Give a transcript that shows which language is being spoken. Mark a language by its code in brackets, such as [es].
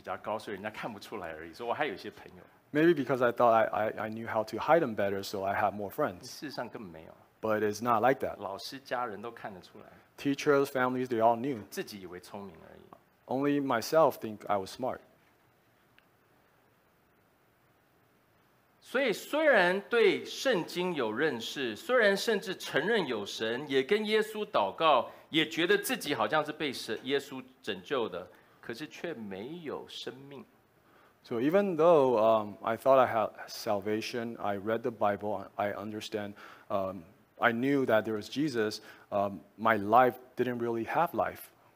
[zh] 大概我自己认为我的道行比较高，所以人家看不出来而已，所以我还有一些朋友。 [en] Maybe because I thought I knew how to hide them better, so I had more friends. [zh] 事实上根本没有。 [en] But it's not like that. [zh] 老师家人都看得出来。 [en] Teachers, families, they all knew. [zh] 自己以为聪明而已。 [en] Only myself think I was smart. [zh] 所以虽然对圣经有认识，虽然甚至承认有神，也跟耶稣祷告，也觉得自己好像是被耶稣拯救的，可是却没有生命。 [en] So even though I thought I had salvation, I read the Bible, I understand, I knew that there was Jesus, my life didn't really have life.